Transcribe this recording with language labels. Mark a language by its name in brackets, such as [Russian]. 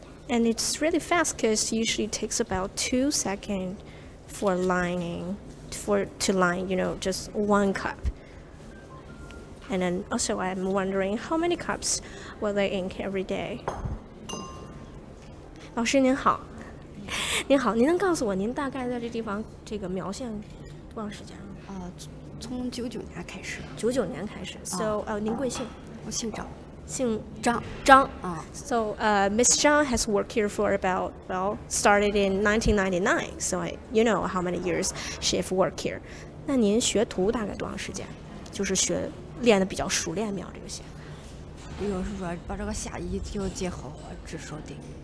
[English] And it's really fast because it usually takes about 2 seconds to line, you know, just one cup. And then also I'm wondering how many cups will they ink every day? [Chinese] 老师您好。您好，您能告诉我您大概在这地方这个描线多长时间了？从1999年开始。 1999年开始。So, 您贵姓？我姓张。姓张。张。啊。 [English] So, Miss Zhang has worked here for about, well, started in 1999. So, you know how many years she has worked here. [Chinese] 那您学徒大概多长时间？就是学练的比较熟练描这个线。就是说把这个下衣就结合我只说的。